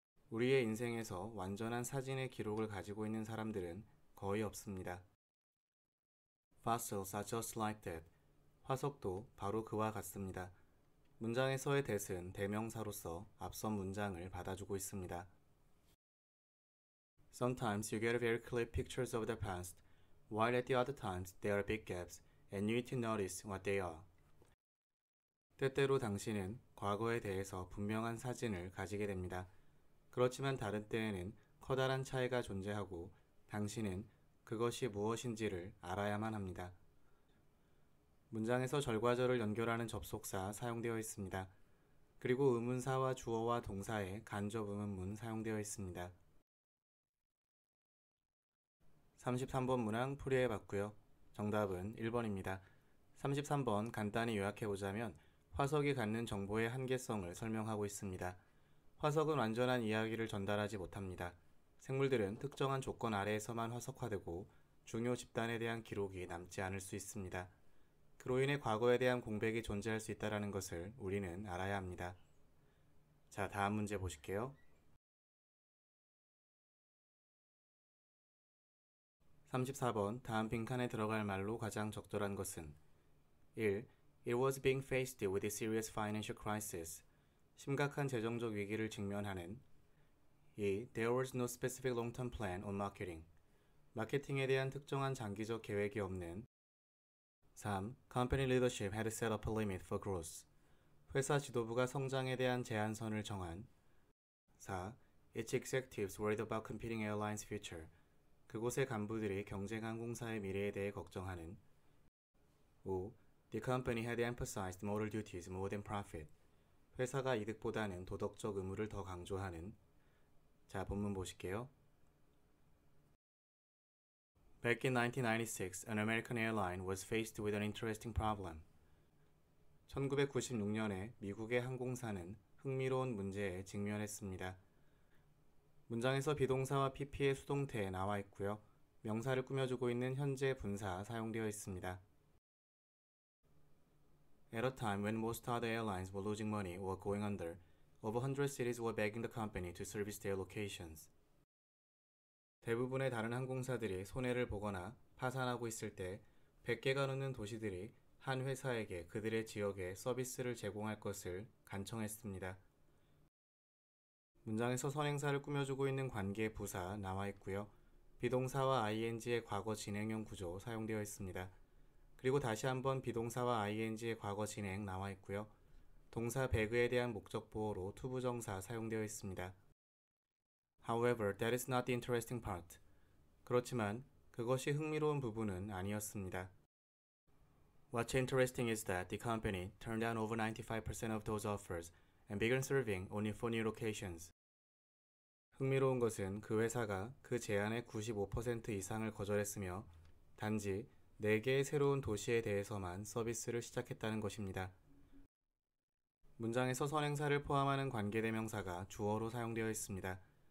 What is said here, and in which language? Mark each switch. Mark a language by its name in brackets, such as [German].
[Korean] 우리의 인생에서 완전한 사진의 기록을 가지고 있는 사람들은 거의 없습니다. [English] Fossils are just like that. [Korean] 화석도 바로 그와 같습니다. 문장에서의 that은 대명사로서 앞선 문장을 받아주고 있습니다. [English] Sometimes you get very clear pictures of the past, while at the other times there are big gaps, and you need to notice what they are. [Korean] 때때로 당신은 과거에 대해서 분명한 사진을 가지게 됩니다. 그렇지만 다른 때에는 커다란 차이가 존재하고 당신은 그것이 무엇인지를 알아야만 합니다. 문장에서 절과절을 연결하는 접속사 사용되어 있습니다. 그리고 의문사와 주어와 동사에 간접 의문문 사용되어 있습니다. 33번 문항 풀이해봤고요. 정답은 1번입니다. 33번 간단히 요약해보자면 화석이 갖는 정보의 한계성을 설명하고 있습니다. 화석은 완전한 이야기를 전달하지 못합니다. 생물들은 특정한 조건 아래에서만 화석화되고 중요 집단에 대한 기록이 남지 않을 수 있습니다. 그로 인해 과거에 대한 공백이 존재할 수 있다는 것을 우리는 알아야 합니다. 자, 다음 문제 보실게요. (34번) 다음 빈칸에 들어갈 말로 가장 적절한 것은 1. [English] It was being faced with a serious financial crisis. [Korean] 심각한 재정적 위기를 직면하는 [English] 2. There was no specific long-term plan on marketing. [Korean] 마케팅에 대한 특정한 장기적 계획이 없는 3. [English] Company leadership had set up a limit for growth. [Korean] 회사 지도부가 성장에 대한 제한선을 정한 4. [English] Its executives worried about competing airlines future. [Korean] 그곳의 간부들이 경쟁 항공사의 미래에 대해 걱정하는 5. [English] The company had emphasized moral duties more than profit. [Korean] 회사가 이득보다는 도덕적 의무를 더 강조하는 자, 본문 보실게요. [English] Back in 1996, an American airline was faced with an interesting problem. [Korean] 1996년에 미국의 항공사는 흥미로운 문제에 직면했습니다. 문장에서 비동사와 PP의 수동태에 나와 있고요. 명사를 꾸며주고 있는 현재 분사 사용되어 있습니다. [English] At a time when most other airlines were losing money or going under, over 100 cities were begging the company to service their locations. [Korean] 대부분의 다른 항공사들이 손해를 보거나 파산하고 있을 때 100개가 넘는 도시들이 한 회사에게 그들의 지역에 서비스를 제공할 것을 간청했습니다. 문장에서 선행사를 꾸며주고 있는 관계 부사 나와 있고요. 비동사와 ing의 과거 진행형 구조 사용되어 있습니다. 그리고 다시 한번 비동사와 ing의 과거 진행 나와 있고요. 동사 배그에 대한 목적 보호로 to 부정사 사용되어 있습니다. [English] However, that is not the interesting part. [Korean] 그렇지만 그것이 흥미로운 부분은 아니었습니다. [English] What's interesting is that the company turned down over 95% of those offers and began serving only four new locations. [Korean] 흥미로운 것은 그 회사가 그 제안의 95% 이상을 거절했으며 단지 4개의 새로운 도시에 대해서만 서비스를 시작했다는 것입니다. 문장에서 선행사를 포함하는 관계대명사가 주어로 사용되어 있습니다.